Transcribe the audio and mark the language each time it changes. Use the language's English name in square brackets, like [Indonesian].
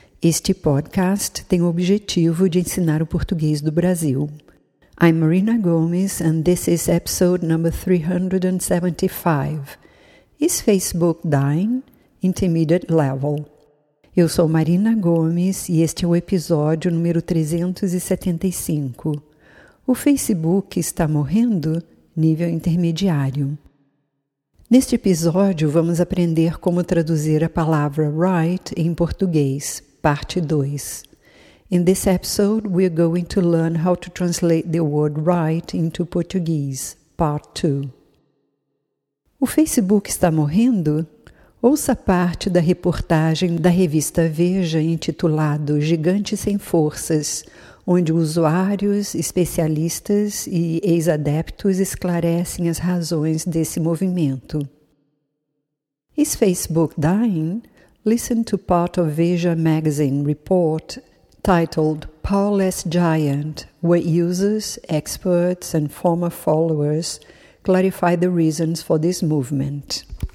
[Portuguese] Este podcast tem o objetivo de ensinar o português do Brasil. [English] I'm Marina Gomes and this is episode number 375. Is Facebook dying? Intermediate level. [Portuguese] Eu sou Marina Gomes e este é o episódio número 375. O Facebook está morrendo? Nível intermediário. Neste episódio, vamos aprender como traduzir a palavra right em português, parte 2. [English] In this episode, we are going to learn how to translate the word right into Portuguese, part 2. [Portuguese] O Facebook está morrendo? Ouça parte da reportagem da revista Veja intitulado Gigante Sem Forças, onde usuários, especialistas e ex-adeptos esclarecem as razões desse movimento. [English] Is Facebook dying? Listen to part of Veja Magazine report titled Powerless Giant, where users, experts and former followers clarify the reasons for this movement.